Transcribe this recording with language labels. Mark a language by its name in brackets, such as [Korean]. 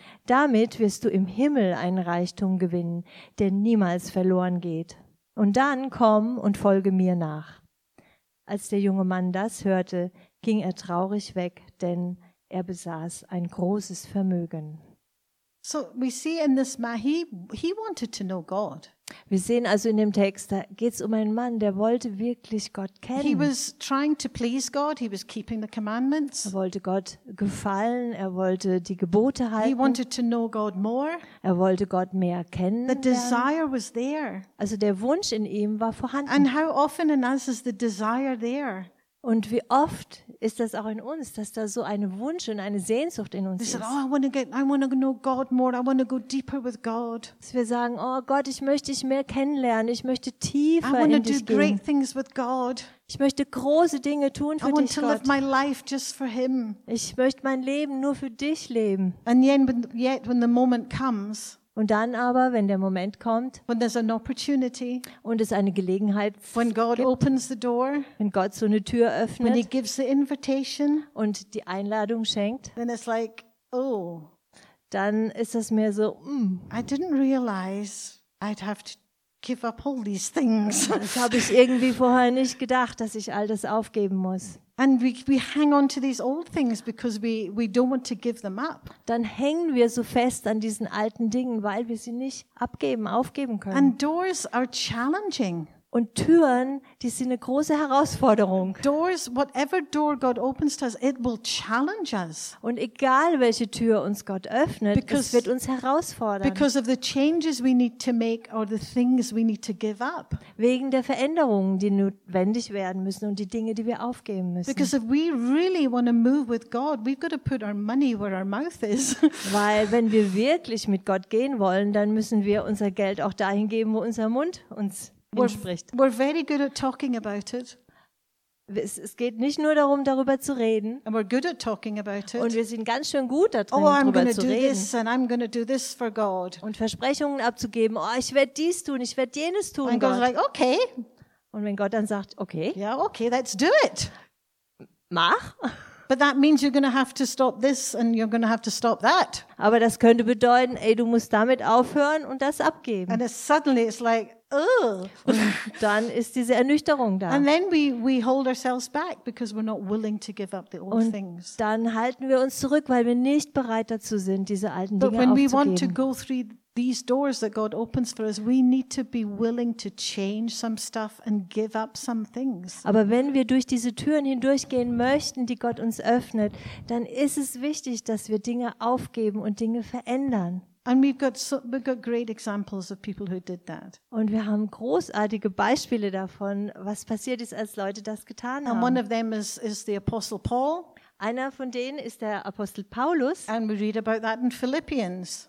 [German] Damit wirst du im Himmel einen Reichtum gewinnen, der niemals verloren geht. Und dann komm und folge mir nach." Als der junge Mann das hörte, ging er traurig weg, denn er besaß ein großes Vermögen. [English] So we see in this man, he wanted to know God. [German] Wir sehen also in dem Text, da geht's um einen Mann, der wollte wirklich Gott kennen. [English] He was trying to please God, he was keeping the commandments. [German] Er wollte Gott gefallen, er wollte die Gebote halten. [English] He wanted to know God more. [German] Er wollte Gott mehr kennen. [English] The desire was there. [German] Also der Wunsch in ihm war vorhanden. [English] And how often in us is the desire there? [German] Und wie oft ist das auch in uns, dass da so ein Wunsch und eine Sehnsucht in uns ist? [English] Oh, I want to know God more. I want to go deeper with God. [German] Dass wir sagen, oh Gott, ich möchte dich mehr kennenlernen. Ich möchte tiefer in dich [English] I want to do great things with God. [German] Ich möchte große Dinge tun für dich, Gott. [English] I want to live my life just for Him. [German] Ich möchte mein Leben nur für dich leben. [English] And yet, when the moment comes. [German] Und dann aber, wenn der Moment kommt, [English] when there's an opportunity, [German] und es eine Gelegenheit [English] when God [German] gibt, [English] opens the door, [German] wenn Gott so eine Tür öffnet, [English] when he gives the invitation, [German] und die Einladung schenkt, [English] then it's like, oh, [German] dann ist das mehr so, [English] I didn't realize I'd have to give up all these things. [German] Das habe ich irgendwie vorher nicht gedacht, dass ich all das aufgeben muss. [English] And we hang on to these old things because we don't want to give them up. [German] Dann hängen wir so fest an diesen alten Dingen, weil wir sie nicht aufgeben können. [English] And doors are challenging. [German] Und Türen, die sind eine große Herausforderung. [English] Doors, whatever door God opens to us, it will challenge us. [German] Und egal welche Tür uns Gott öffnet, es wird uns herausfordern. [English] Because of the changes we need to make or the things we need to give up. [German] Wegen der Veränderungen, die notwendig werden müssen und die Dinge, die wir aufgeben müssen. [English] Because if we really want to move with God, we've got to put our money where our mouth is. [German] Weil wenn wir wirklich mit Gott gehen wollen, dann müssen wir unser Geld auch dahin geben, wo unser Mund uns entspricht. [English] We're very good at talking about it. [German] Es geht nicht nur darum, darüber zu reden. [English] And we're good at talking about it. [German] Und wir sind ganz schön gut darin, darüber zu reden. [English] Oh, I'm going to do this and I'm going to do this for God. [German] Und Versprechungen abzugeben. Oh, ich werde dies tun, ich werde jenes tun. [English] And God's like, okay. [German] Und wenn Gott dann sagt, okay. [English] Yeah, okay, let's do it. [German] Mach. [English] But that means you're going to have to stop this and you're going to have to stop that. [German] Aber das könnte bedeuten, ey, du musst damit aufhören und das abgeben. [English] And it's suddenly it's like, [German] und dann ist diese Ernüchterung da. [English] And then we hold ourselves back because we're not willing to give up the old [German] und [English] things. [German] Und dann halten wir uns zurück, weil wir nicht bereit dazu sind, diese alten [English] but [German] Dinge aufzugeben. [English] But when we want to go through these doors that God opens for us, we need to be willing to change some stuff and give up some things. [German] Aber wenn wir durch diese Türen hindurchgehen möchten, die Gott uns öffnet, dann ist es wichtig, dass wir Dinge aufgeben und Dinge verändern. [English] And we've got great examples of people who did that. [German] Und wir haben großartige Beispiele davon, was passiert ist, als Leute das getan haben. [English] And one of them is the Apostle Paul. [German] Einer von denen ist der Apostel Paulus. [English] And we read about that in Philippians.